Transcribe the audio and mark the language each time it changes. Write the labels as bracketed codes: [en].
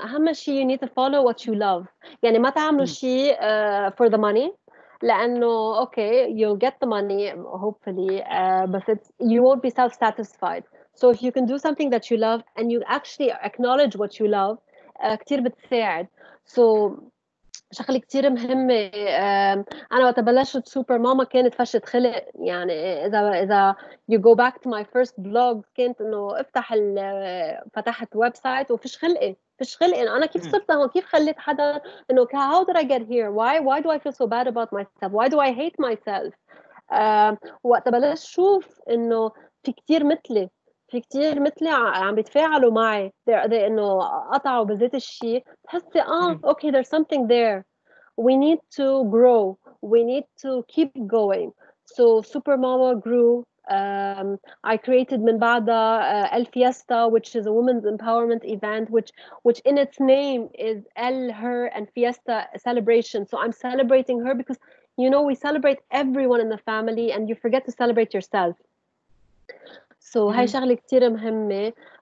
[ar] أهم شيء [en] you need to follow what you love. [ar] يعني ما تعملوا شيء [en] for the money, [ar] لأنه [en] okay you'll get the money hopefully, but you won't be self satisfied. So if you can do something that you love and you actually acknowledge what you love, [ar] كتير بتساعد. [en] So [ar] شغلة كتير مهمة. أنا وقت بلشت سوبر ماما كانت فشة خلق. يعني إذا [en] you go back to my first blog, [ar] كانت إنه افتح فتحت ويب سايت وفيش خلق, فيش خلق. أنا كيف صرت هون؟ كيف خليت حدا إنه [en] how did I get here? Why do I feel so bad about myself? Why do I hate myself? [ar] وقت بلشت شوف إنه في كتير مثلي عم بيتفاعلوا معي. [en] They [ar] إنه قطعوا بذات الشيء تحسي [en] okay there's something there, we need to grow, we need to keep going. So Super Mama grew. I created [ar] من بعدها [en] El Fiesta, which is a women's empowerment event, which in its name is El, her, and Fiesta celebration. So I'm celebrating her because, you know, we celebrate everyone in the family and you forget to celebrate yourself. So [ar] هاي شغلة كتير مهمة.